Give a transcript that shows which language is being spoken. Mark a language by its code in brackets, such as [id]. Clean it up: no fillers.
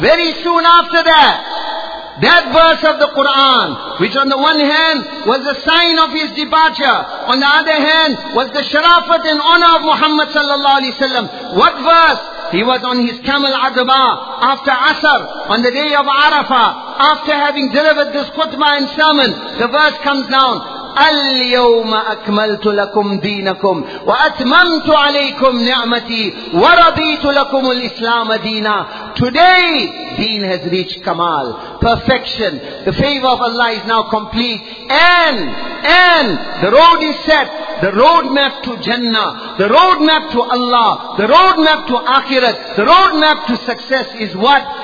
[en] Very soon after that, that verse of the Quran, which on the one hand was a sign of his departure, on the other hand was the sharafat and honor of Muhammad sallallahu alaihi wasallam. What verse? He was on his camel Adba after Asr on the day of Arafah, after having delivered this khutbah and sermon. The verse comes down. [ar] اليوم أكملت لكم دينكم وأتممت عليكم نعمتي ورضيت لكم الإسلام دينا. [en] Today, deen has reached kamal, perfection. The favor of Allah is now complete. And the road is set. The roadmap to Jannah, the roadmap to Allah, the roadmap to Akhirat, the roadmap to success is what?